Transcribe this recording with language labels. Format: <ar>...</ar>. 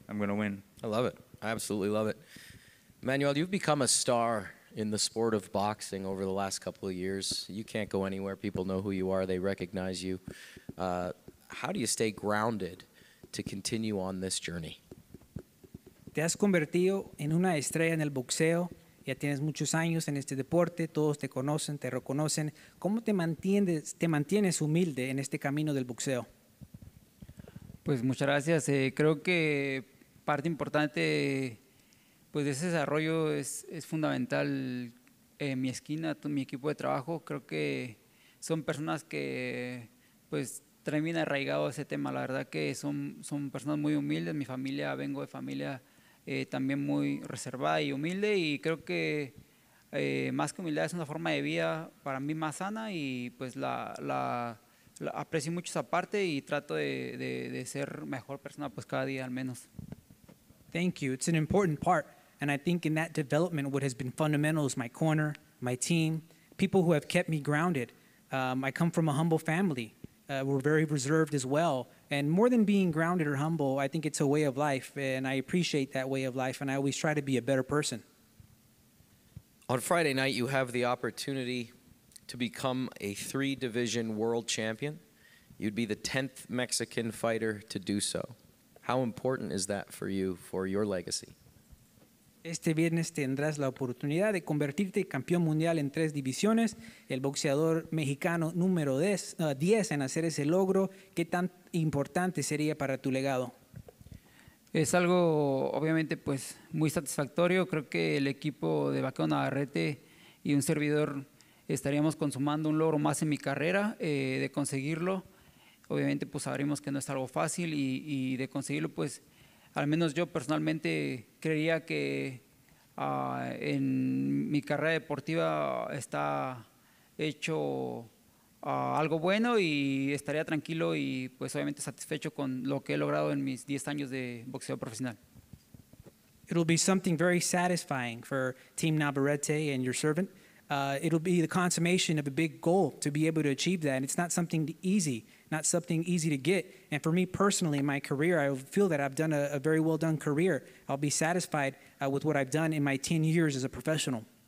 <en>I'm going to win. I love it. I absolutely love it. Emanuel, you've become a star in the sport of boxing over the last couple of years. You can't go anywhere. People know who you are. They recognize you. How do you stay grounded to continue on this journey?</en> <es>Te has convertido en una estrella en el boxeo. Ya tienes muchos años en este deporte, todos te conocen, te reconocen. ¿Cómo te mantienes humilde en este camino del boxeo? Pues muchas gracias. Creo que parte importante de ese desarrollo es fundamental mi esquina, mi equipo de trabajo. Creo que son personas que traen bien arraigado ese tema. La verdad que son personas muy humildes. Mi familia, vengo de familia también muy reservada y humilde, y creo que más que humildad es una forma de vida para mí más sana, y pues la aprecio mucho esa parte y trato de ser mejor persona pues cada día al menos.</es> <en>Thank you. It's an important part, and I think in that development what has been fundamental is my corner, my team, people who have kept me grounded. I come from a humble family. We're very reserved as well. And more than being grounded or humble, I think it's a way of life, and I appreciate that way of life, and I always try to be a better person. On Friday night, you have the opportunity to become a 3-division world champion. You'd be the 10th Mexican fighter to do so. How important is that for you, for your legacy?</en> <es>Este viernes tendrás la oportunidad de convertirte en campeón mundial en 3 divisiones. El boxeador mexicano número 10 en hacer ese logro, ¿qué tan importante sería para tu legado? Es algo, obviamente, muy satisfactorio. Creo que el equipo de Vaquero Navarrete y un servidor estaríamos consumando un logro más en mi carrera de conseguirlo. Obviamente, sabremos que no es algo fácil y de conseguirlo, al menos yo personalmente creería que en mi carrera deportiva está hecho algo bueno, y estaría tranquilo y obviamente satisfecho con lo que he logrado en mis 10 años de boxeo profesional.</es> <en>It'll be something very satisfying for Team Navarrete and your servant. It'll be the consummation of a big goal to be able to achieve that, and it's not something easy. Not something easy to get. And for me personally, in my career, I feel that I've done a very well done career. I'll be satisfied with what I've done in my 10 years as a professional.</en>